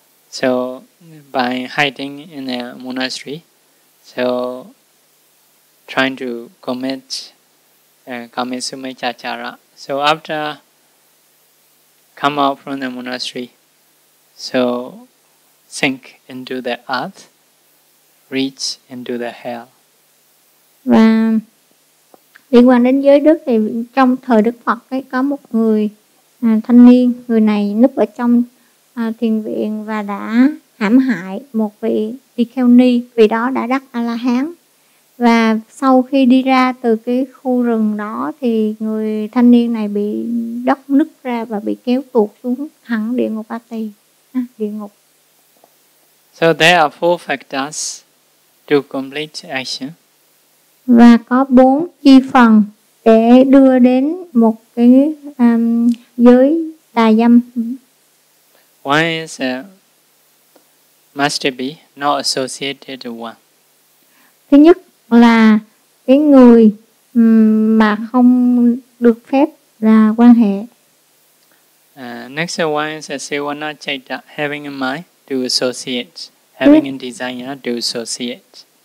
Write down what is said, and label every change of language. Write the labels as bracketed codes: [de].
[en] So by hiding in a monastery, so trying to commit kamesumaichachara. So after come out from the monastery, so sink into the earth, reach into the hell. [vi] Và liên quan đến giới đức thì trong thời Đức Phật ấy, có một người thanh niên, người này núp ở trong thiền viện và đã hãm hại một vị tỳ kheo ni, vì đó đã đắc A-la-hán. Và sau khi đi ra từ cái khu rừng đó thì người thanh niên này bị đất nứt ra và bị kéo tuột xuống thẳng địa ngục A-ti, địa ngục. [en] So there are four factors to complete action. [vi] Và có bốn chi phần để đưa đến một cái giới tà dâm. [en] One is must be not associated with one. [vi] Thứ nhất là cái người mà không được phép là quan hệ. [en] Next one is sevana chaita, having a mind to associate, having a desire to associate.